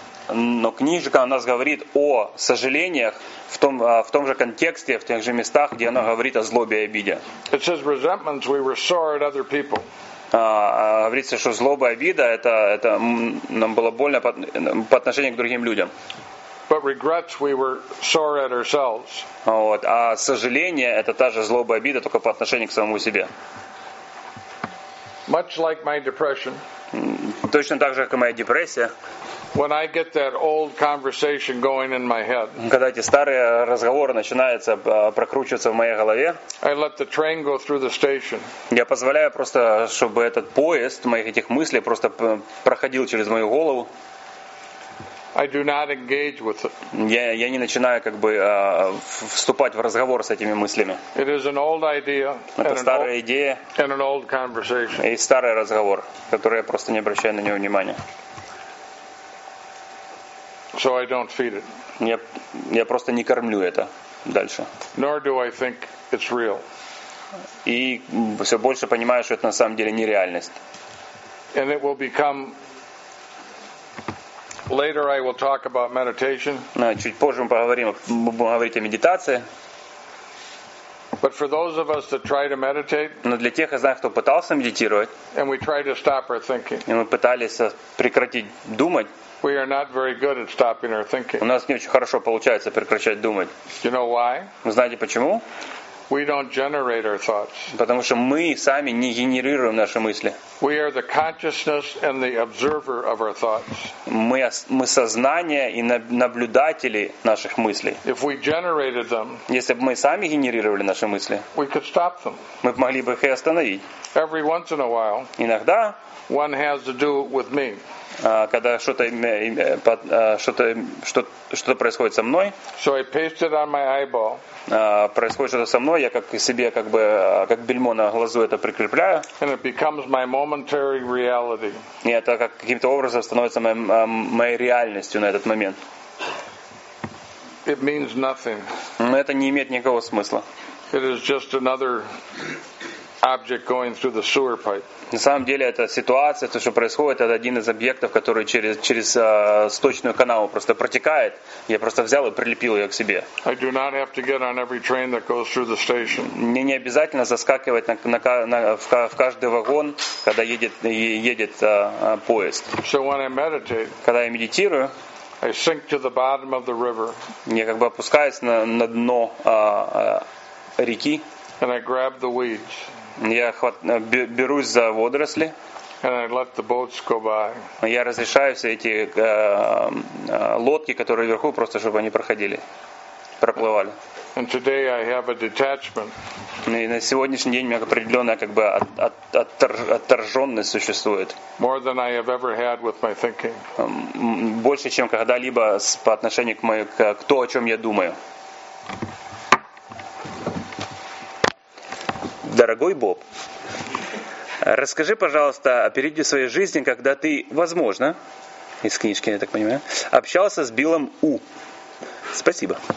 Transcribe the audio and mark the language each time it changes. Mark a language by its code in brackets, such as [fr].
[ru] Но книжка у нас говорит о сожалениях в том же контексте, в тех же местах, где она говорит о злобе и обиде. [en] It says resentments we restore at other people. [ru] Говорится, что злоба и обида это нам было больно по отношению к другим людям. [en] But regrets, we were sore at ourselves. [ru] Вот. А сожаление это та же злоба и обида, только по отношению к самому себе. [en] Much like my depression. [ru] Точно так же, как и моя депрессия. [en] When I get that old conversation going in my head. [ru] Когда эти старые разговоры начинаются прокручиваться в моей голове. [en] I let the train go through the station. [ru] Я позволяю просто, чтобы этот поезд моих этих мыслей просто проходил через мою голову. [en] I do not engage with it. [ru] Я не начинаю как бы вступать в разговор с этими мыслями. [en] It is an old idea. [ru] Это старая идея. [en] And an old conversation. [ru] И старый разговор, который я просто не обращаю на него внимания. [en] So I don't feed it. [ru] Я просто не кормлю это дальше. [en] Nor do I think it's real. [ru] И все больше понимаю, что это на самом деле нереальность. [en] And it will become. Later I will talk about meditation. [ru] Ну, чуть позже мы поговорим, будем говорить о медитации. [en] But for those of us that try to meditate, [ru] но для тех из нас, кто пытался медитировать, [en] and we try to stop our thinking, [ru] и мы пытались прекратить думать, [en] we are not very good at stopping our thinking. [ru] У нас не очень хорошо получается прекращать думать. [en] You know why? [ru] Вы знаете почему? [en] We don't generate our thoughts. [ru] Потому что мы сами не генерируем наши мысли. [en] We are the consciousness and the observer of our thoughts. [ru] Мы сознание и наблюдатели наших мыслей. [en] If we generated them, [ru] если бы мы сами генерировали наши мысли, [en] we could stop them. [ru] Мы могли бы их и остановить. [en] Every once in a while, [ru] иногда, [en] one has to do it with me. [ru] Когда что-то происходит со мной, [en] so I paste it on my eyeball, [ru] происходит что-то со мной, я как себе как бельмо на глазу это прикрепляю, [en] and it becomes my momentary reality. [ru] И это как каким-то образом становится моей реальностью на этот момент. [en] It means nothing. [ru] Но это не имеет никакого смысла. [en] It is just another object going through the sewer pipe. [ru] На самом деле эта ситуация, то, что происходит, это один из объектов, который через сточную канаву просто протекает. Я просто взял и прилепил ее к себе. [en] I do not have to get on every train that goes through the station. [ru] Мне не обязательно заскакивать в каждый вагон, когда едет поезд. [en] So when I meditate, [ru] когда я медитирую, [en] I sink to the bottom of the river. [ru] Я как бы опускаюсь на дно реки. [en] And I grab the weeds. [ru] Я берусь за водоросли. [en] And I let the boats go by. [ru] Я разрешаю все эти лодки, которые вверху, просто чтобы они проходили, проплывали. [en] And today I have a detachment. [ru] И на сегодняшний день у меня определенная как бы отторженность существует. [en] More than I have ever had with my thinking. [ru] Больше, чем когда-либо по отношению к то, о чем я думаю. Дорогой Боб, расскажи, пожалуйста, о периоде своей жизни, когда ты, возможно, из книжки, я так понимаю, общался с Биллом У. Спасибо.